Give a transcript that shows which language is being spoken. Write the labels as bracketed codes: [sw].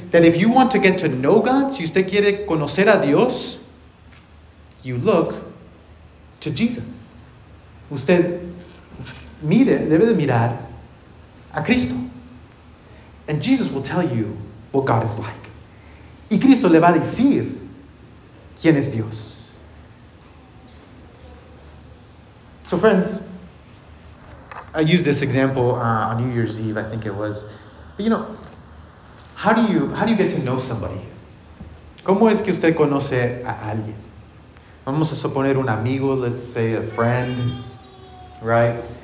[en] That if you want to get to know God, [es] si usted quiere conocer a Dios, [en] you look to Jesus. [es] Usted mire, debe de mirar a Cristo. [en] And Jesus will tell you what God is like. [es] Y Cristo le va a decir quién es Dios. [en] So friends, I used this example on New Year's Eve, I think it was. But you know, how do you get to know somebody? [es] ¿Cómo es que usted conoce a alguien? Vamos a suponer un amigo, [en] let's say a friend, right?